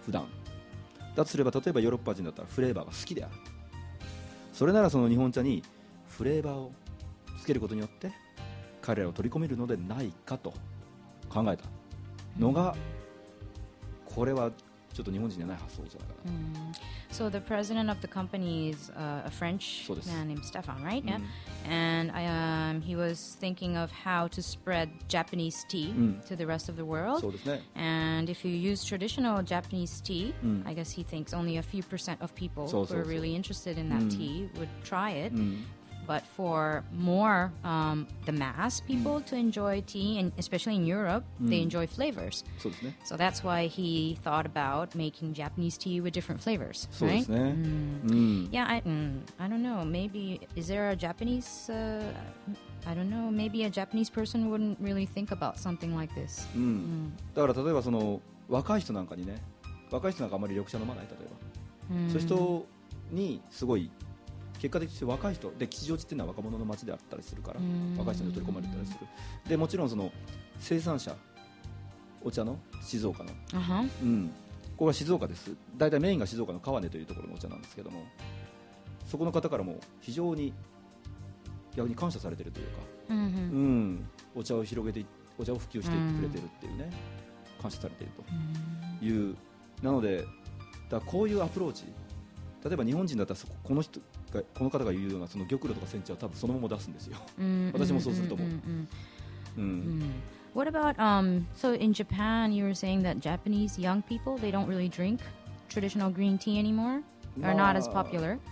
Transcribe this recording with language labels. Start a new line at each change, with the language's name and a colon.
Japanese: 普段だとすれば、例えばヨーロッパ人だったらフレーバーが好きである。それならその日本茶にフレーバーをつけることによって彼らを取り込めるのでないかと考えたのが、これはちょっと日本人じゃない発想じゃないかな。
English: So the president of the company is a French man named Stefan, right? Yeah. And he was thinking of how to spread Japanese tea to the rest of the world. And if you use traditional Japanese tea, I guess he thinks only a few percent of people who are really interested in that tea would try it. But for more the mass people to enjoy tea, and especially in Europe, they enjoy flavors. So that's why he thought about making Japanese tea with different flavors, right? I don't know. Maybe is there a Japanese? I don't know. Maybe a Japanese person wouldn't really think about something like this.
Japanese: だから例えばその若い人なんかにね、若い人なんかあまり緑茶飲まない例えば、そういう人にすごい。結果的に若い人で吉祥寺というのは若者の街であったりするから若い人に取り込まれたりするでもちろんその生産者お茶の静岡の、ここは静岡です大体メインが静岡の川根というところのお茶なんですけどもそこの方からも非常に逆に感謝されているというか、お茶を広げてお茶を普及してくれているっていうね感謝されているというなのでだこういうアプローチ例えば日本人だったらこの人この方が言うようなその玉露とか煎茶は多分そのまま出すんですよ。私もそうすると思う。
English: What about so in Japan you were saying that Japanese young people they don't really drink traditional green tea anymore or not as popular?